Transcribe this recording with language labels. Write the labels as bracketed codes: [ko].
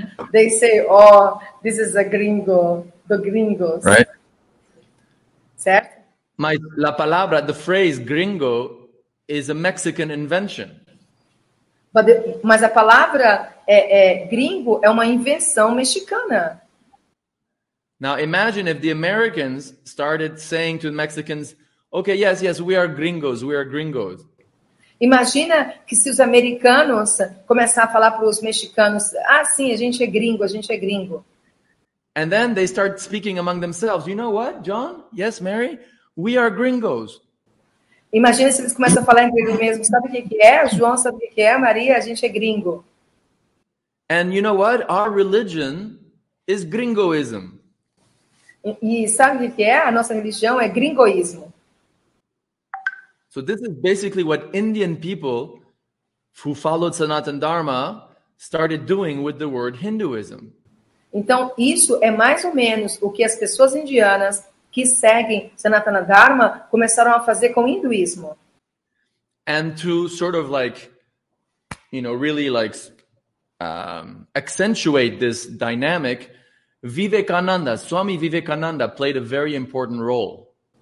[en] They say, "Oh, this is a gringo, the gringos." Right? [pt] Certo? [en] My [es] la palabra, [en] the phrase gringo is a Mexican invention. [pt] Mas a palavra gringo é uma invenção mexicana. [en] Now imagine if the Americans started saying to the Mexicans, "Okay, yes, yes, we are gringos, we are gringos." [pt] Imagina que se os americanos começar a falar para os mexicanos, "Ah, sim, a gente é gringo, a gente é gringo." [en] And then they start speaking among themselves. You know what, John? Yes, Mary, we are gringos. [pt] Imagina se eles começam a falar entre eles mesmos. Sabe o que é? João, sabe o que é? Maria, a gente é gringo. [en] And you know what? Our religion is gringoism. [pt] E sabe o que é? A nossa religião é gringoísmo. [en] So this is basically what Indian people who followed Sanatana Dharma started doing with the word Hinduism. [pt] Então isso é mais ou menos o que as pessoas indianas que seguem Sanatana Dharma começaram a fazer com o hinduísmo. [en] And to sort of like, you know, really like accentuate this dynamic, Vivekananda, Swami Vivekananda played a very important role.